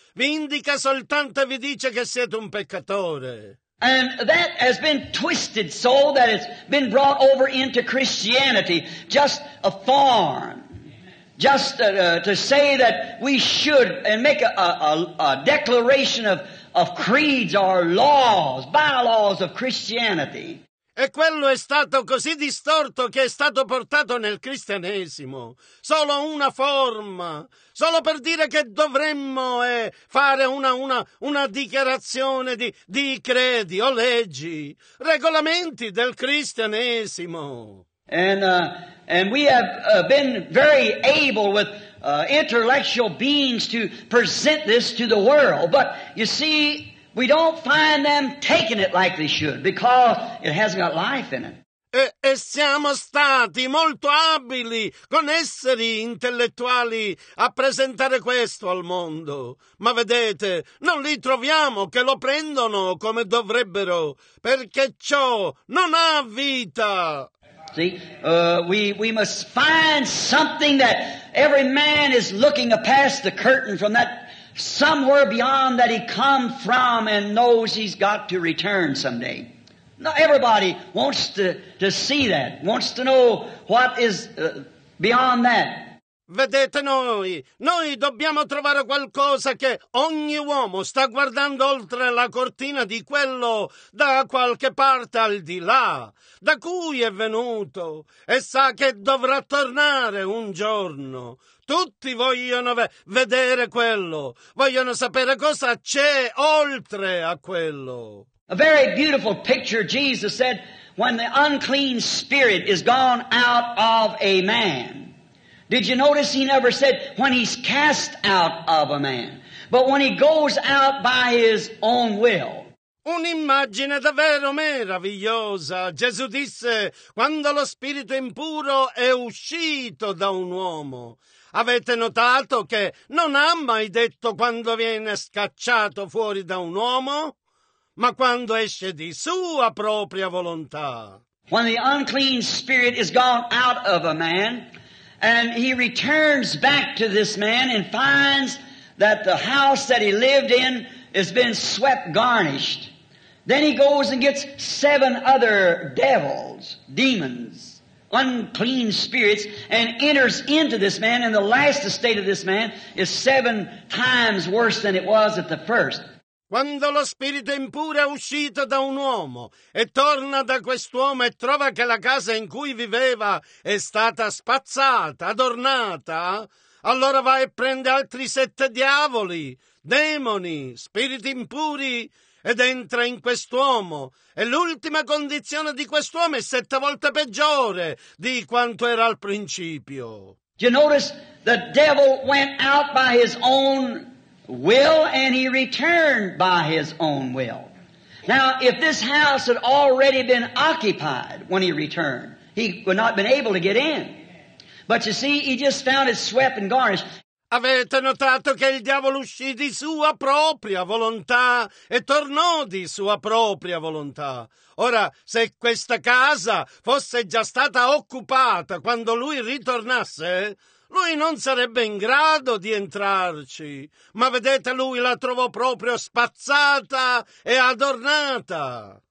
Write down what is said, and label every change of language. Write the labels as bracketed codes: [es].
[it] Vi indica soltanto e vi dice che siete un peccatore. [en] And that has been twisted so that it's been brought over into Christianity, just a form. Just to say that we should and make a declaration of creeds or laws, bylaws of Christianity. [it] E quello è stato così distorto che è stato portato nel cristianesimo. Solo una forma, solo per dire che dovremmo fare una dichiarazione di credi o leggi, regolamenti del cristianesimo. [en] And we have been very able with intellectual beings to present this to the world. But you see, we don't find them taking it like they should because it hasn't got life in it. [it] E siamo stati molto abili con esseri intellettuali a presentare questo al mondo. Ma vedete, non li troviamo che lo prendono come dovrebbero, perché ciò non ha vita. [en] See, we must find something that every man is looking past the curtain from that somewhere beyond that he come from and knows he's got to return someday. Now everybody wants to see that, wants to know what is beyond that. [it] Vedete, noi dobbiamo trovare qualcosa che ogni uomo sta guardando oltre la cortina di quello da qualche parte al di là, da cui è venuto e sa che dovrà tornare un giorno. Tutti vogliono vedere quello, vogliono sapere cosa c'è oltre a quello. [en] A very beautiful picture, Jesus said, when the unclean spirit is gone out of a man. Did you notice he never said when he's cast out of a man, but when he goes out by his own will. [it] Un'immagine davvero meravigliosa. Gesù disse, quando lo spirito impuro è uscito da un uomo. Avete notato che non ha mai detto quando viene scacciato fuori da un uomo? Ma quando esce di sua propria volontà. [en] When the unclean spirit is gone out of a man, and he returns back to this man and finds that the house that he lived in has been swept garnished, then he goes and gets seven other devils, demons, unclean spirits, and enters into this man, and the last estate of this man is seven times worse than it was at the first. [it] Quando lo spirito impuro è uscito da un uomo e torna da quest'uomo e trova che la casa in cui viveva è stata spazzata, adornata, allora va e prende altri sette diavoli, demoni, spiriti impuri ed entra in quest'uomo. E l'ultima condizione di quest'uomo è sette volte peggiore di quanto era al principio. [en] You notice the devil went out by his own will, and he returned by his own will. Now, if this house had already been occupied when he returned, he would not have been able to get in. But you see, he just found it swept and garnished. [it] Avete notato che il diavolo uscì di sua propria volontà e tornò di sua propria volontà. Ora, se questa casa fosse già stata occupata quando lui ritornasse, lui non sarebbe in grado di entrarci, ma vedete, lui la trovò proprio spazzata e adornata.